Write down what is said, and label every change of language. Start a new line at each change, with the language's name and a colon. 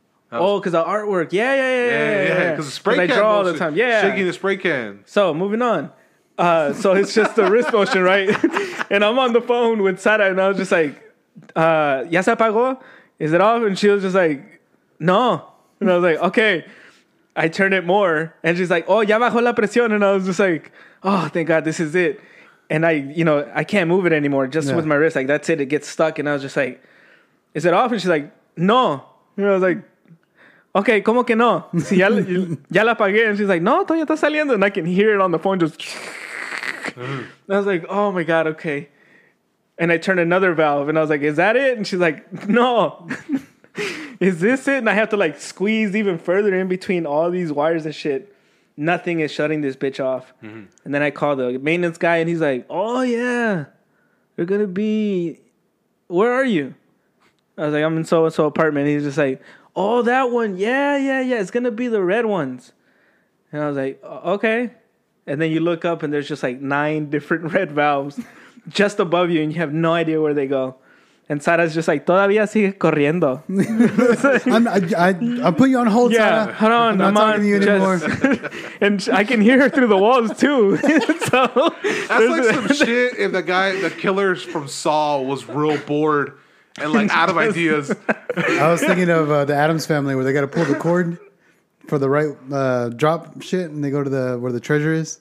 English: Oh, because the artwork. Yeah. Because the spray can. I draw all the time. Yeah. Shaking the spray can. So, moving on. So, it's just the wrist motion, right? And I'm on the phone with Sara, and I was just like,
Spanish: ¿Ya se apagó?
English: Is it off? And she was just like, no. And I was like, okay. I turn it more, and she's like, oh,
Spanish: ya bajó la presión.
English: And I was just like, oh, thank God, this is it. And I, you know, I can't move it anymore just with my wrist. Like, that's it. It gets stuck. And I was just like, is it off? And she's like, no. And I was like, okay,
Spanish: ¿cómo que no? Si ya, ya la apagué.
English: And she's like, no,
Spanish: todavía está saliendo.
English: And I can hear it on the phone just. And I was like, oh, my God, okay. And I turned another valve. And I was like, is that it? And she's like, no. Is this it? And I have to, like, squeeze even further in between all these wires and shit. Nothing is shutting this bitch off. Mm-hmm. And then I call the maintenance guy, and he's like, oh, yeah, you're going to be, where are you? I was like, I'm in so-and-so apartment. He's just like, oh, that one. Yeah. It's going to be the red ones. And I was like, okay. And then you look up, and there's just like 9 different red valves just above you, and you have no idea where they go. And Sara's just like,
Spanish: todavía sigue corriendo.
English: I'm putting you on hold, yeah, Sara. Hold on. I'm not talking to you anymore. And I can hear her through the walls, too. So that's like some shit if the guy, the killers from Saw, was real bored and like out of ideas. I was thinking of the Addams Family where they got to pull the cord for the right drop shit and they go to the where the treasure is.